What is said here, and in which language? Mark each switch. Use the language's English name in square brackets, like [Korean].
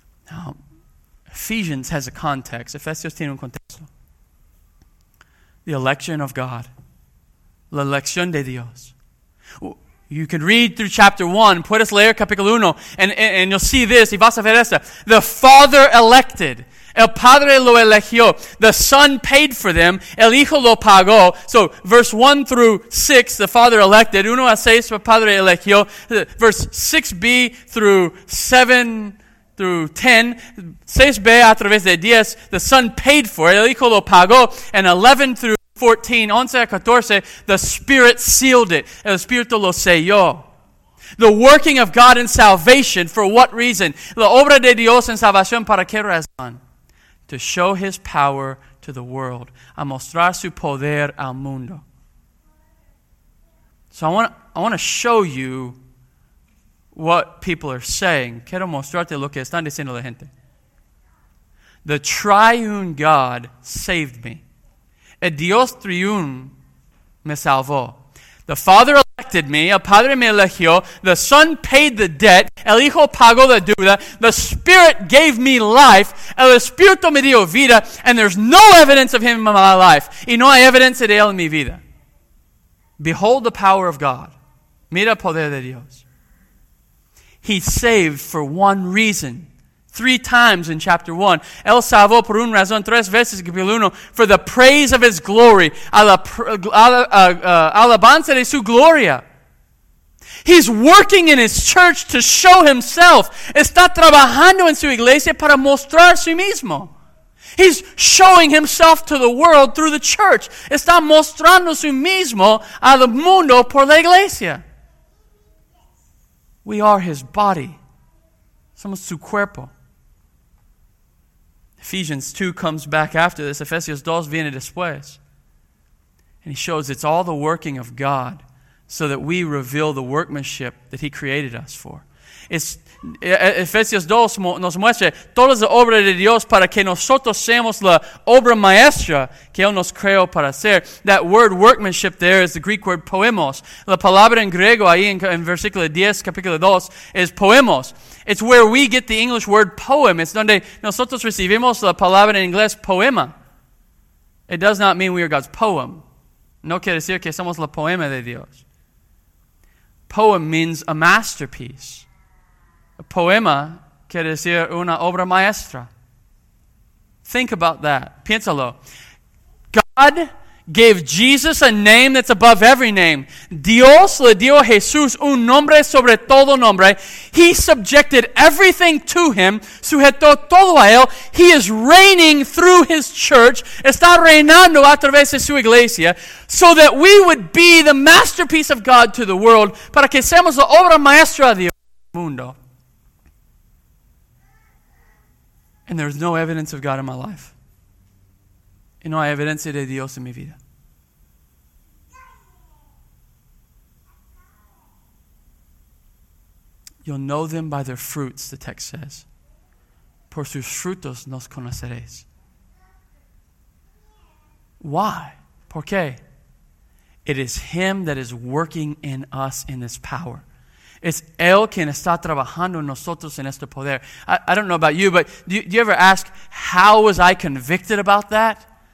[English] Now, Ephesians has a context. [Spanish] Efesios tiene un contexto. [English] The election of God. [Spanish] La elección de Dios. [English] You can read through chapter 1, [Spanish] puedes leer capítulo 1, [English] and you'll see this, [Spanish] y vas a ver esta. [English] The Father elected, [Spanish] el Padre lo eligió, [English] the Son paid for them, [Spanish] el Hijo lo pagó. [English] So, verse 1 through 6, the Father elected, 1 a 6, [Spanish] el Padre eligió, [English] verse 6b through 7 through 10, [Spanish] 6b a través de 10, [English] the Son paid for it, [Spanish] el Hijo lo pagó, [English] and 11 through 14, 11 a 14, the Spirit sealed it. [Spanish] El Espíritu lo selló. [English] The working of God in salvation, for what reason? [Spanish] La obra de Dios en salvación, ¿para qué razón? [English] To show his power to the world. [Spanish] A mostrar su poder al mundo. [English] So I want to show you what people are saying. [Spanish] Quiero mostrarte lo que están diciendo la gente. [English] The triune God saved me. [Spanish] El Dios triune me salvó. [English] The Father elected me. [Spanish] El Padre me eligió. [English] The Son paid the debt. [Spanish] El Hijo pagó la deuda. [English] The Spirit gave me life. [Spanish] El Espíritu me dio vida. [English] And there's no evidence of him in my life. [Spanish] Y no hay evidencia de él en mi vida. [English] Behold the power of God. [Spanish] Mira el poder de Dios. [English] He saved for one reason. Three times in chapter 1. [Spanish] Él salvó por una razón. Tres veces en capítulo 1. [English] For the praise of his glory. [Spanish] Alabanza de su gloria. [English] He's working in his church to show himself. [Spanish] Está trabajando en su iglesia para mostrar a sí mismo. [English] He's showing himself to the world through the church. [Spanish] Está mostrando su mismo al mundo por la iglesia. [English] We are his body. [Spanish] Somos su cuerpo. [English] Ephesians 2 comes back after this. [Spanish] Ephesians 2 viene después. [English] And he shows it's all the working of God so that we reveal the workmanship that he created us for. [Spanish] Ephesians 2 nos muestra toda la obra de Dios para que nosotros seamos la obra maestra que Él nos creó para hacer. [English] That word workmanship there is the Greek word poemos. [Spanish] La palabra en griego ahí en versículo 10, capítulo 2, is poemos. [English] It's where we get the English word poem. [Spanish] It's donde nosotros recibimos la palabra en inglés poema. [English] It does not mean we are God's poem. [Spanish] No quiere decir que somos la poema de Dios. [English] Poem means a masterpiece. [Spanish] A poema quiere decir una obra maestra. [English] Think about that. [Spanish] Piénsalo. [English] God gave Jesus a name that's above every name. [Spanish] Dios le dio a Jesús un nombre sobre todo nombre. [English] He subjected everything to him. [Spanish] Sujetó todo a él. [English] He is reigning through his church. [Spanish] Está reinando a través de su iglesia. [English] So that we would be the masterpiece of God to the world. [Spanish] Para que seamos la obra maestra de Dios al mundo. [English] And there is no evidence of God in my life. [Spanish] Y no hay evidencia de Dios en mi vida. [English] You'll know them by their fruits, the text says. [Spanish] Por sus frutos nos conoceréis. [English] Why? [Spanish] ¿Por qué? [English] It is Him that is working in us in this power. [Spanish] It's Él quien está trabajando en nosotros en este poder. [English] I don't know about you, but do you ever ask, how was I convicted about that?